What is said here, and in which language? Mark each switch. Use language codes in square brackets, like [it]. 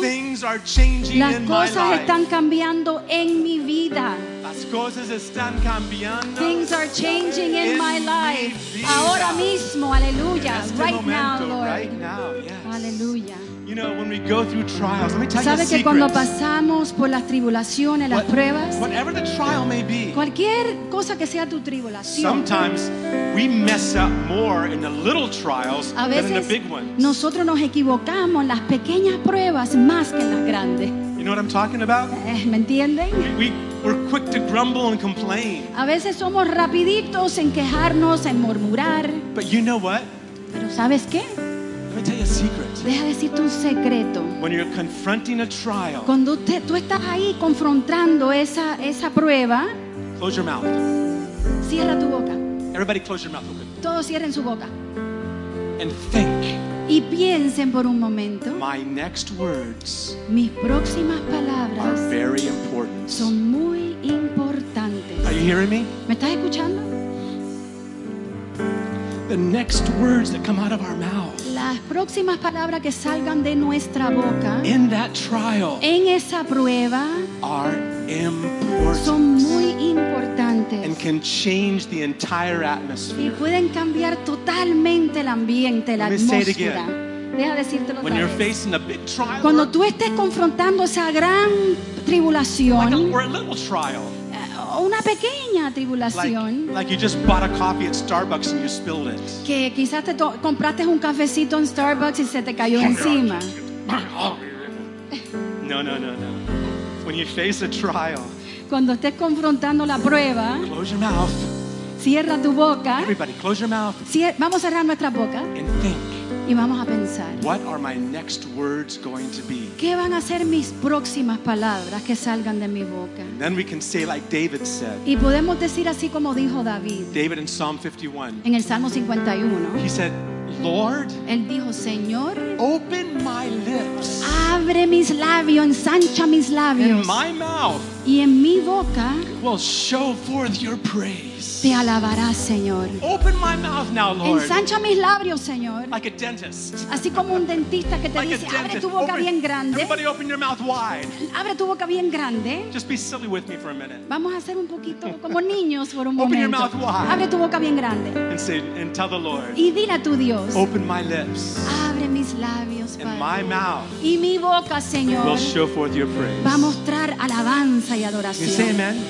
[en] Things are changing. [es] Las cosas están cambiando en mi vida. Las cosas están cambiando. [en] Things are changing in my life. [es] Mi ahora mismo, aleluya. Este [en] right [es] momento, [en] now, Lord. Right now, yes. [es] Aleluya. [en] You know, when we go through trials, let me tell you a secret. [es] ¿Sabes que cuando pasamos por las tribulaciones, las pruebas, [en] whatever the trial may be, [es] cualquier cosa que sea tu tribulación, [en] sometimes we mess up more in the little trials than in the big ones. [es] Nosotros nos equivocamos las pequeñas pruebas más que las grandes. [en] You know what I'm talking about? [es] ¿Me entienden? [en] We're quick to grumble and complain. [es] A veces somos rapiditos en quejarnos, en murmurar. [en] But you know what? [es] Pero ¿sabes qué? [en] Let me tell you a secret. [es] Deja decirte un secreto. [en] When you're confronting a trial, [es] cuando usted, tú estás ahí confrontando esa prueba, [en] close your mouth. [es] Cierra tu boca. [en] Everybody close your mouth. [es] Todos cierren su boca. [en] And think. [es] Y piensen por un momento. [en] My next words. [es] Mis próximas palabras. [en] Are very important. [es] Son muy importantes. [en] Are you hearing me? [es] ¿Me estás escuchando? [en] The next words that come out of our mouth. [es] Las próximas palabras que salgan de nuestra boca [en] in that trial, [es] en esa prueba [en] are important, [es] son muy importantes, [en] and can change the entire atmosphere. [es] Y pueden cambiar totalmente el ambiente, la atmósfera. [en] Let me say it again. [es] Deja decírtelo. [en] When you're facing a big trial, [es] cuando tú estés confrontando esa gran tribulación, [en] like a little trial, [es] una pequeña tribulación, [en] like you just bought a coffee at Starbucks and you spilled it, [es] que quizás te compraste un cafecito en Starbucks y se te cayó encima. [en] No. When you face a trial, [es] cuando estés confrontando la prueba, [en] close your mouth, [es] cierra tu boca. [en] Everybody, close your mouth. [es] Vamos a cerrar nuestra boca. [en] And think. [es] Y vamos a pensar. [en] What are my next words going to be? [es] ¿Qué van a ser mis próximas palabras que salgan de mi boca? [en] And then we can say like David said. [es] Y podemos decir así como dijo David. [en] David in Psalm 51. [es] En el Salmo 51. [en] He said, Lord, [es] él dijo, Señor, [en] open my lips. [es] Abre mis labios, ensancha mis labios. [en] In my mouth. [es] Y en mi boca [en] will show forth your praise. [es] Te alabarás, Señor. [en] Open my mouth now, Lord. [es] Ensancha mis labios, Señor. [en] Like a dentist. [es] Así como un dentista que te [en] like [es] dice, abre tu boca bien grande. [en] Everybody open your mouth wide. [es] Abre tu boca bien grande. [en] Just be silly with me for a minute. [es] Vamos a ser un poquito como niños por un [en] open [es] momento. [en] Open your mouth wide. [es] Abre tu boca bien grande. [en] And say, and tell the Lord. [es] Y dile a tu Dios. [en] Open my lips. [es] Abre mis labios, Padre. [en] And my mouth. [es] Y mi boca, Señor. [en] Will show forth your praise. [es] Va a mostrar alabanza y adoración. [en] You say amen.